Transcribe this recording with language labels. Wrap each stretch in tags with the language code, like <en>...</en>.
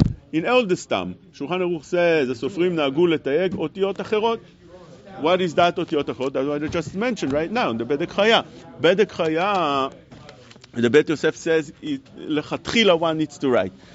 <en>In Eldestam, Shulchan Aruch says,</en> <he>הסופרים נהגו לתייג אותיות אחרות.</he> <en>What is that אותיות אחרות? That's what I just mentioned right now, the בדק חיה. בדק חיה, the בית יוסף says, לכתחילה one needs to write.</en>